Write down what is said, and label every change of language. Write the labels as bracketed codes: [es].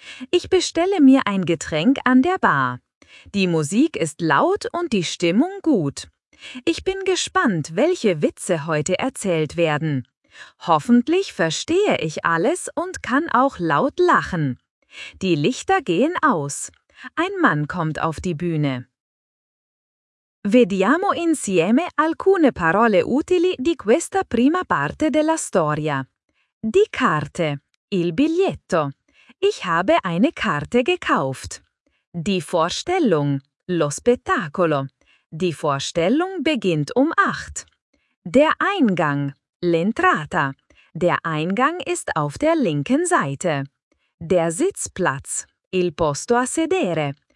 [de] Ich bestelle mir ein Getränk an der Bar. Die Musik ist laut und die Stimmung gut. Ich bin gespannt, welche Witze heute erzählt werden. Hoffentlich verstehe ich alles und kann auch laut lachen. Die Lichter gehen aus. Ein Mann kommt auf die Bühne. [it] Vediamo insieme alcune parole utili di questa prima parte della storia. [de] Die Karte, [it] il biglietto. [de] Ich habe eine Karte gekauft. Die Vorstellung, [it] lo spettacolo. [de] Die Vorstellung beginnt um 8. Der Eingang, [it] l'entrata. [de] Der Eingang ist auf der linken Seite. Der Sitzplatz, [it] il posto a sedere.